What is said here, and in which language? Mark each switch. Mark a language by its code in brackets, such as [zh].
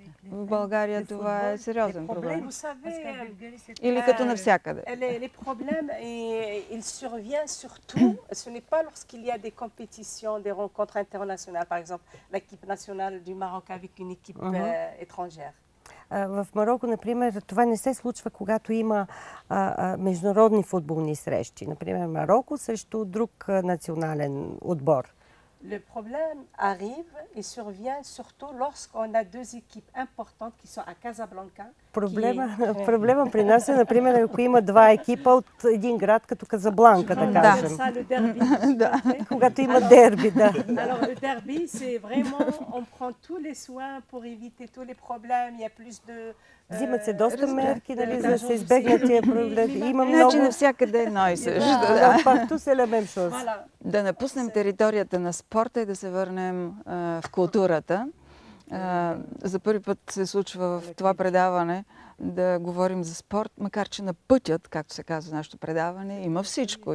[bg] В България това е сериозен проблем. Или като навсякъде. [fr] Les problèmes, il survient surtout, ce n'est pas lorsqu'il y a des compétitions, des rencontres internationales, par exemple, l'équipe nationale du Maroc avec une équipe étrangère. [bg] В Мароко, например, това не се случва, когато има международни футболни срещи. Например, Мароко срещу друг национален отбор. [fr] Le problème arrive et survient surtout lorsqu'on a deux équipes importantes qui sont à Casablanca. [bg] Проблема при нас е, например, ако има два екипа от един град като Казабланка, да кажем. Да. Когато има дерби, да. [fr] Alors le derby c'est vraiment on prend tous les soins pour éviter tous les problèmes, il y a plus de [bg] Взимат се доста мерки, нали, за да се избегнат тия проблеми. Има много. Значи навсякъде едно и също. [fr] Да, парту се лемем шос. [bg] Да напуснем територията на спорта и да се върнем в културата. За първи път се случва в това предаване да говорим за спорт, макар че на пътят, както се казва нашето предаване, има всичко.